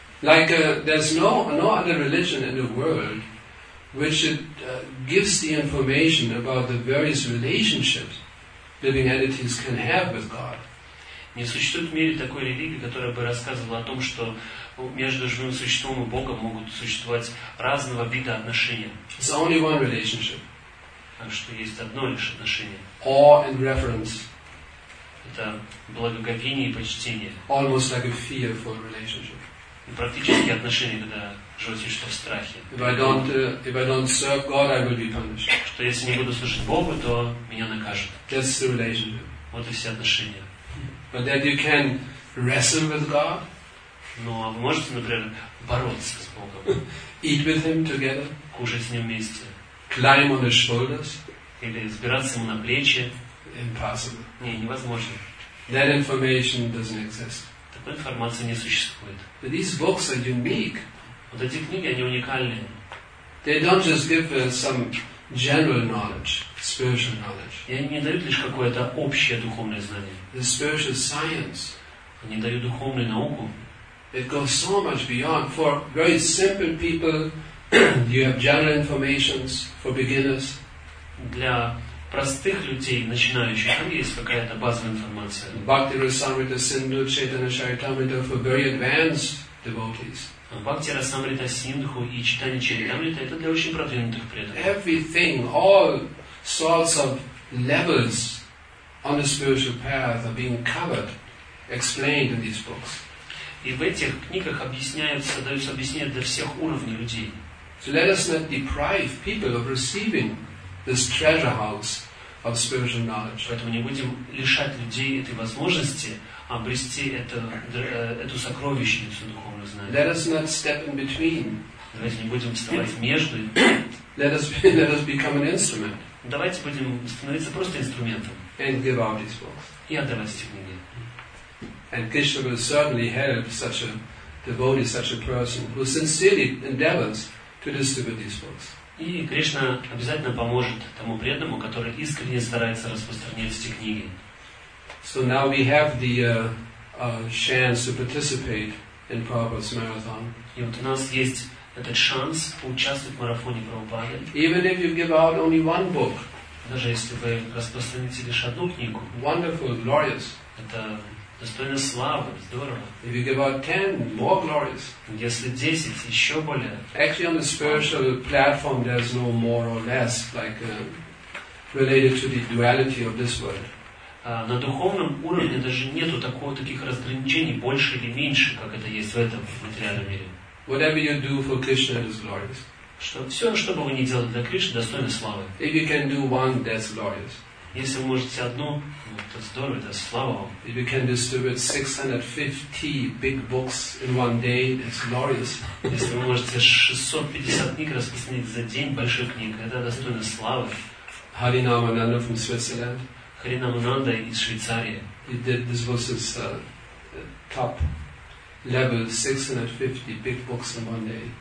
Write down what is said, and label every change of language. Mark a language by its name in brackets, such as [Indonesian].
[English] Like there's no other religion in the world which gives the information about the various relationships living entities can have with God. [Russian] Не существует в мире такой религии, которая бы рассказывала о том, что между живым существом и Богом могут существовать разного вида отношения. [English] It's only one relationship. [Russian] Так что есть одно лишь отношение. [English] Awe and reverence. [Russian] Это благоговение и почтение. [English] Almost like a fear for a relationship. [Russian] Практические отношения, когда живут существа в страхе. [English] If I don't serve God, I will be punished. [Russian] Что если не буду служить Богу, то меня накажут. [English] That's the relationship. [Russian] Вот и все отношения. [English] But then you can wrestle with God. [Russian] Ну, а вы можете, например, бороться с Богом. [English] Eat with Him together. [Russian] Кушать с Ним вместе. [English] Climb on His shoulders. [Russian] Или взбираться Ему на плечи. [English] Impossible. [Russian] Не, невозможно. [English] That information doesn't exist. [Russian] Такой информации не существует. [English] But these books are unique. [Russian] Вот эти книги, они уникальные. [English] They don't just give some general knowledge, spiritual knowledge. [Russian] И они не дают лишь какое-то общее духовное знание. [English] The spiritual science. [Russian] Они дают духовную науку. [English] It goes so much beyond. For very simple people, you have general information. For beginners. [Russian] Для простых людей, начинающих, там есть какая-то базовая информация. [English] Bhakti Rasamrita Sindhu Chaitanya Charitamrita for very advanced devotees. [Russian] Bhakti Rasamrita Sindhu и Chaitanya Charitamrita это для очень продвинутых преданных. [English] Everything, all sorts of levels on the spiritual path are being covered, explained in these books. [Russian] И в этих книгах объясняются, даются объяснения для всех уровней людей. [English] So let us not deprive people of receiving this treasure house of spiritual knowledge. [Russian] Поэтому не будем лишать людей этой возможности обрести эту сокровищницу духовного знания. [English] Let us not step in between. [Russian] Давайте не будем вставать между. [English] Let us become an instrument. [Russian] Давайте будем становиться просто инструментом. [English] And give out these books. [Russian] И отдавать эти книги. [English] And Krishna will certainly help such a devotee, such a person who sincerely endeavors to distribute these books. [Russian] И Кришна обязательно поможет тому преданному, который искренне старается распространять эти книги. [English] So now we have the chance to participate in Prabhupada's marathon. [Russian] И вот у нас есть этот шанс поучаствовать в марафоне Прабхупады. [English] Even if you give out only one book. [Russian] Даже если вы распространите лишь одну книгу. [English] Wonderful, glorious. [Russian] Это достойно славы, здорово. [English] If you give out 10, more glorious. [Russian] Если 10, еще более. [English] Actually, on the spiritual platform, there's no more or less, like related to the duality of this world. [Russian] На духовном уровне даже нету такого таких разграничений больше или меньше, как это есть в этом материальном мире. [English] Whatever you do for Krishna is glorious. [Russian] Что все, что бы вы ни делали для Кришны, достойно славы. [English] If you can do one, that's glorious. [Russian] Если вы можете одно, то здорово, это слава вам. [English] If you can distribute 650 big books in one day, that's glorious. [Russian] Если вы можете 650 книг распространить за день, больших книг, это достойно славы. [English] Харинама Нанда from Switzerland. [Russian] Харинама Нанда из Швейцарии. [English] He did this was his top level 650 big books in one day.